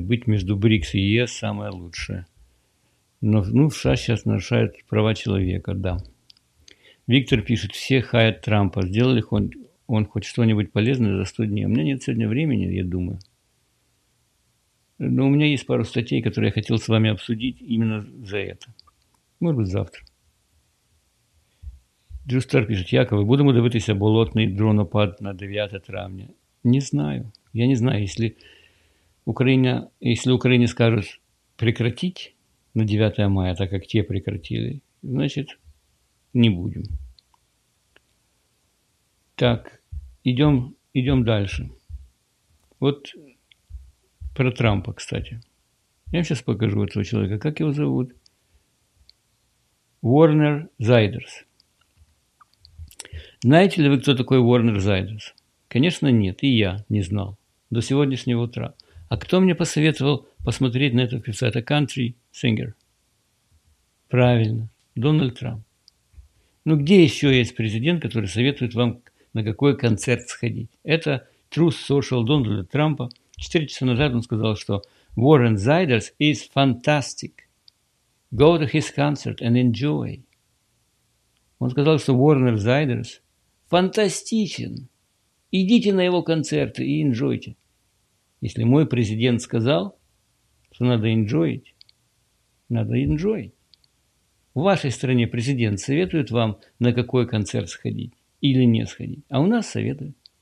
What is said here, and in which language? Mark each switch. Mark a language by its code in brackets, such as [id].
[ru] Быть между БРИКС и ЕС самое лучшее. Но ну, США сейчас нарушают права человека, да. Виктор пишет, все хаят Трампа. Сделали хоть он хоть что-нибудь полезное за 100 дней. У меня нет сегодня времени, я думаю. Но у меня есть пару статей, которые я хотел с вами обсудить именно за это. Может быть, завтра. [uk] Джустар пишет: Яков, будемо дивитися болотний дронопад на 9 травня. [ru] Не знаю. Я не знаю, если Украина, если Украине скажут прекратить на 9 мая, так как те прекратили, значит, не будем. Так, идем дальше. Вот про Трампа, кстати. Я вам сейчас покажу этого человека. Как его зовут? Warner Ziders. Знаете ли вы, кто такой Warner Ziders? Конечно, нет. И я не знал до сегодняшнего утра. А кто мне посоветовал посмотреть на этого певца? Это Country Singer. Правильно. Дональд Трамп. Ну, где еще есть президент, который советует вам, на какой концерт сходить? Это Truth Social Дональда Трампа. 4 часа назад он сказал, что Warren Ziders [en] is fantastic. Go to his concert and enjoy. [ru] Он сказал, что Warner Ziders фантастичен. Идите на его концерты и enjoyте. Если мой президент сказал, что надо enjoyить, надо enjoyить. В вашей стране президент советует вам, на какой концерт сходить или не сходить. А у нас советуют.